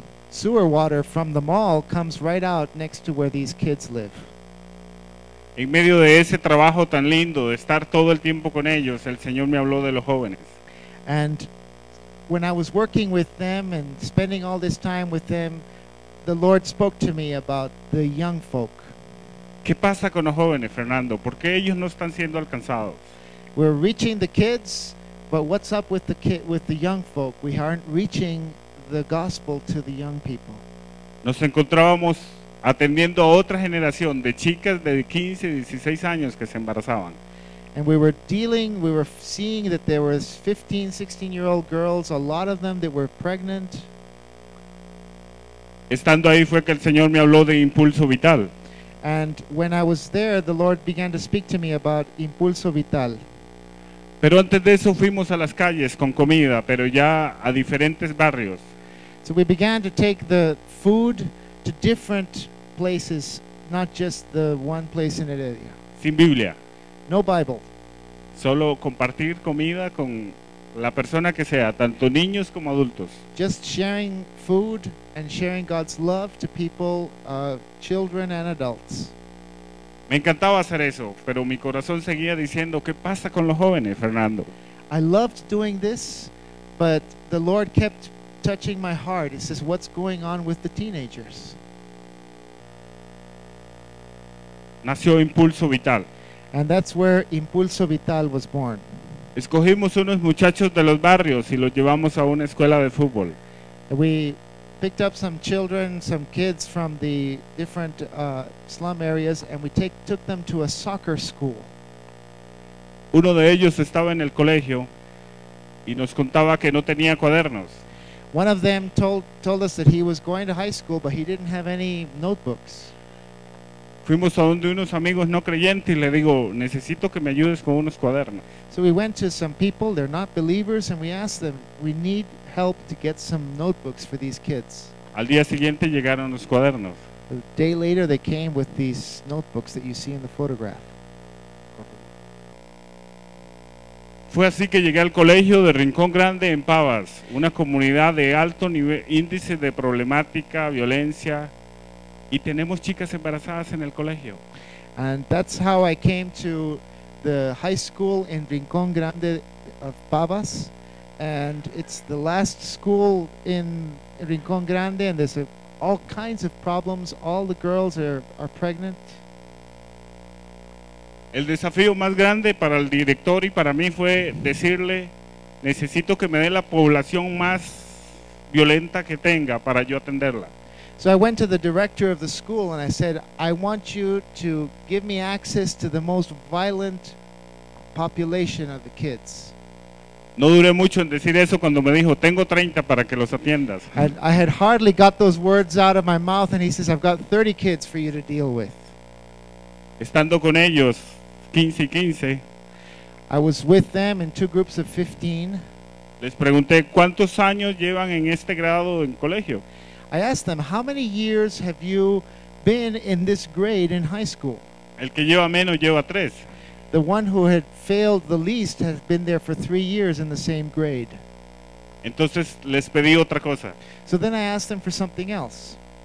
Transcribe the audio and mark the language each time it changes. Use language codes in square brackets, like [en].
[en] Sewer water from the mall comes right out next to where these kids live. [es] En medio de ese trabajo tan lindo, de estar todo el tiempo con ellos, el Señor me habló de los jóvenes. [en] And when I was working with them and spending all this time with them, the Lord spoke to me about the young folk. [es] ¿Qué pasa con los jóvenes, Fernando? ¿Por qué ellos no están siendo alcanzados? [en] We're reaching the kids, but what's up with the young folk? We aren't reaching the gospel to the young people. [es] Nos encontrábamos atendiendo a otra generación de chicas de 15, 16 años que se embarazaban. [en] And we were seeing that there was 15, 16 year old girls, a lot of them that were pregnant. [es] Estando ahí fue que el Señor me habló de Impulso Vital. [en] And when I was there, the Lord began to speak to me about Impulso Vital. [es] Pero antes de eso fuimos a las calles con comida, pero ya a diferentes barrios. [en] So we began to take the food to different places, not just the one place in Heredia. [es] Sin Biblia. [en] No Bible. [es] Solo compartir comida con la persona que sea, tanto niños como adultos. [en] Just sharing food and sharing God's love to people, children and adults. [es] Me encantaba hacer eso, pero mi corazón seguía diciendo, ¿qué pasa con los jóvenes, Fernando? [en] I loved doing this, but the Lord kept touching my heart. It says, what's going on with the teenagers? [es] Nació Impulso Vital. [en] And that's where Impulso Vital was born. [es] Escogimos unos muchachos de los barrios y los llevamos a una escuela de fútbol. [en] We picked up some children, some kids from the different slum areas, and we took them to a soccer school. [es] Uno de ellos estaba en el colegio y nos contaba que no tenía cuadernos. [en] One of them told us that he was going to high school, but he didn't have any notebooks. [es] Fuimos a donde unos amigos no creyentes y le digo, necesito que me ayudes con unos cuadernos. [en] So we went to some people, they're not believers, and we asked them, we need help to get some notebooks for these kids. [es] Al día siguiente llegaron los cuadernos. [en] A day later they came with these notebooks that you see in the photograph. [es] Fue así que llegué al colegio de Rincón Grande en Pavas, una comunidad de alto nivel, índice de problemática, violencia, y tenemos chicas embarazadas en el colegio. [en] And that's how I came to the high school in Rincón Grande of Pavas, and it's the last school in Rincón Grande, and there's all kinds of problems. All the girls are pregnant. [es] El desafío más grande para el director y para mí fue decirle, necesito que me dé la población más violenta que tenga para yo atenderla. [en] So I went to the director of the school and I said, I want you to give me access to the most violent population of the kids. [es] No duré mucho en decir eso cuando me dijo, tengo 30 para que los atiendas. [en] And I had hardly got those words out of my mouth and he says, I've got 30 kids for you to deal with. [es] Estando con ellos, 15 y 15. [en] I was with them in two groups of 15. [es] Les pregunté, ¿cuántos años llevan en este grado en colegio? [en] I asked them, how many years have you been in this grade in high school? [es] El que lleva menos lleva tres. [en] The one who had failed the least has been there for 3 years in the same grade. [es] Entonces les pedí otra cosa. [en] So then I asked them for something else.